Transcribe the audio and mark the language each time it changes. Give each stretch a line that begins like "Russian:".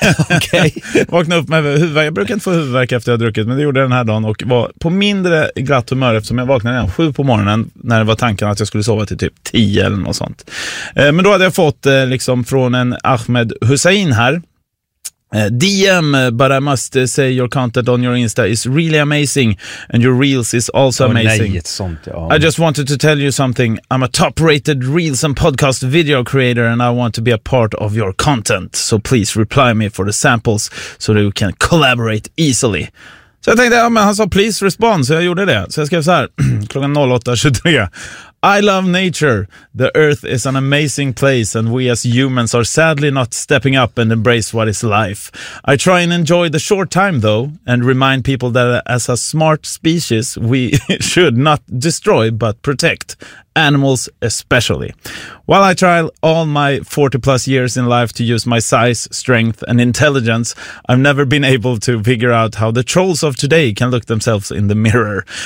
Swedish: Okej. Vakna upp med huvudvärk. Jag brukar inte få huvudvärk efter jag druckit, men det gjorde jag den här dagen. Och var på mindre glatt humör eftersom jag vaknade igen 7 på morgonen. När det var tanken att jag skulle sova till typ 10 eller något sånt. Men då hade jag fått liksom från en Ahmed Hussein här.
English: DM, but I must say your content on your Insta is really amazing and your Reels is also amazing.
Swedish: Nej, ett sånt, ja.
English: I just wanted to tell you something. I'm a top rated Reels and podcast video creator and I want to be a part of your content. So please reply me for the samples so that we can collaborate easily.
Swedish: Så jag tänkte, ja, men han sa
English: please respond,
Swedish: så jag gjorde det. Så jag skrev så här, klockan 08:23.
English: I love nature. The earth is an amazing place and we as humans are sadly not stepping up and embrace what is life. I try and enjoy the short time though and remind people that as a smart species we should not destroy but protect. Animals especially. While I try all my 40 plus years in life to use my size, strength and intelligence, I've never been able to figure out how the trolls of today can look themselves in the mirror.